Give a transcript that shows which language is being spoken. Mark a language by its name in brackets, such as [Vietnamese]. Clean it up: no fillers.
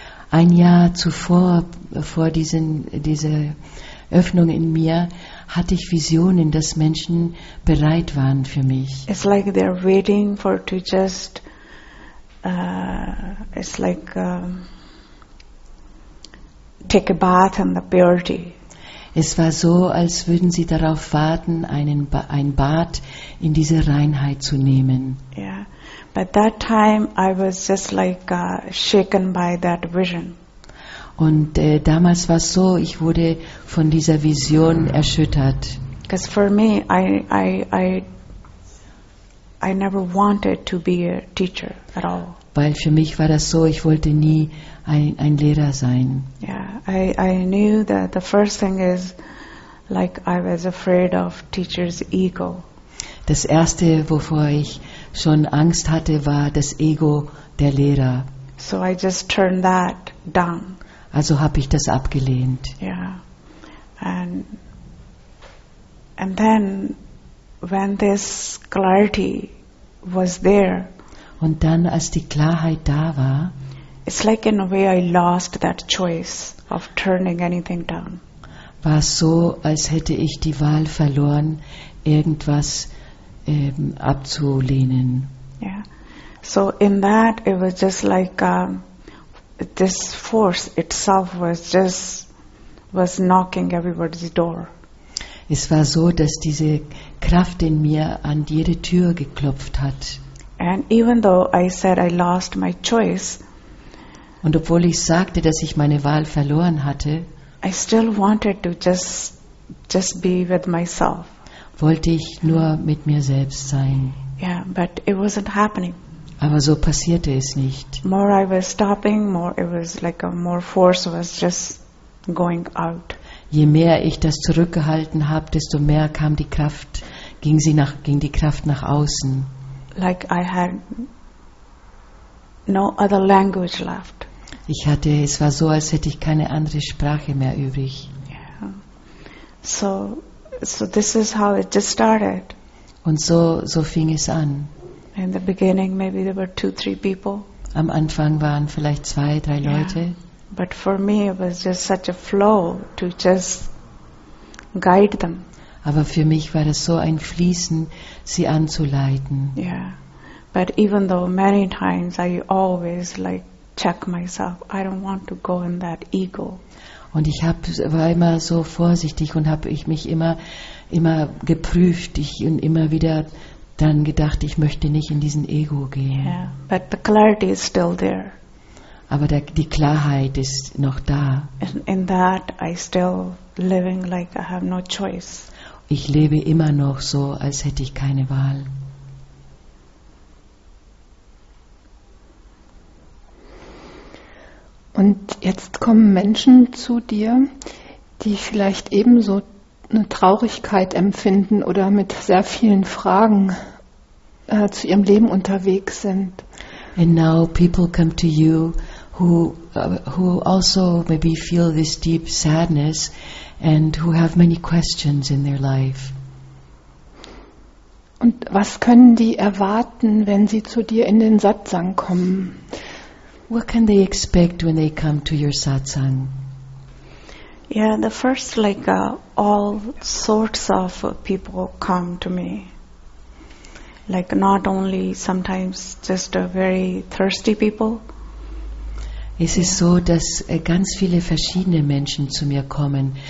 [German] Ein Jahr zuvor, vor diese Öffnung in mir, hatte ich Visionen, dass Menschen bereit waren für mich. [English] It's like they're waiting for to just, it's like take a bath in the purity. [German] Es war so, als würden sie darauf warten, ein Bad in diese Reinheit zu nehmen. [English] Yeah. But that time I was just like shaken by that vision. [German] Und damals war es so, ich wurde von dieser Vision erschüttert. [English] Because for me, I never wanted to be a teacher at all. [German] Weil für mich war das so, ich wollte nie ein Lehrer sein. [English] Yeah, I knew that the first thing is, like, I was afraid of teacher's ego. [German] Das erste, wovor ich schon Angst hatte, war das Ego der Lehrer. [English] So I just turned that down. [German] Also habe ich das abgelehnt. [English] Yeah. And then when this clarity was there. [German] Und dann, als die Klarheit da war, [English] it's like in a way I lost that choice of turning anything down. [German] War es so, als hätte ich die Wahl verloren, irgendwas abzulehnen. [English] Yeah. So in that, it was just like this force itself was knocking everybody's door. [German] Es war so, dass diese Kraft in mir an jede Tür geklopft hat. [English] And even though I said I lost my choice, [German] und obwohl ich sagte, dass ich meine Wahl verloren hatte, [English] I still wanted to just be with myself. [German] Wollte ich nur mit mir selbst sein. [English] Yeah, but it wasn't happening. [German] Aber so passierte es nicht. [English] More I was stopping, more it was like a more force was just going out. [German] Je mehr ich das zurückgehalten habe, desto mehr kam die Kraft, ging die Kraft nach außen. [English] Like I had no other language left. [German] Es war so, als hätte ich keine andere Sprache mehr übrig. [English] Yeah. So this is how it just started. [German] Und so fing es an. [English] In the beginning maybe there were 2-3 people. [German] Am Anfang waren vielleicht 2-3 Leute. [English] Yeah. But for me it was just such a flow to just guide them. [German] Aber für mich war das so ein Fließen, sie anzuleiten. [English] Yeah. But even though many times I always like check myself, I don't want to go in that ego. [German] Und ich war immer so vorsichtig und habe ich mich immer geprüft. Ich und immer wieder dann gedacht, ich möchte nicht in diesen Ego gehen. [English] Yeah, but the clarity is still there. [German] Aber die Klarheit ist noch da. [English] In that I still living like I have no choice. [German] Ich lebe immer noch so, als hätte ich keine Wahl. Und jetzt kommen Menschen zu dir, die vielleicht ebenso eine Traurigkeit empfinden oder mit sehr vielen Fragen zu ihrem Leben unterwegs sind. [English] And now people come to you who also maybe feel this deep sadness and who have many questions in their life. [German] Und was können die erwarten, wenn sie zu dir in den Satsang kommen? [English] What can they expect when they come to your satsang? Yeah, the first, like, all sorts of people come to me. Like, not only sometimes just very thirsty people. [German] Es ist so, dass ganz viele verschiedene Menschen zu mir kommen.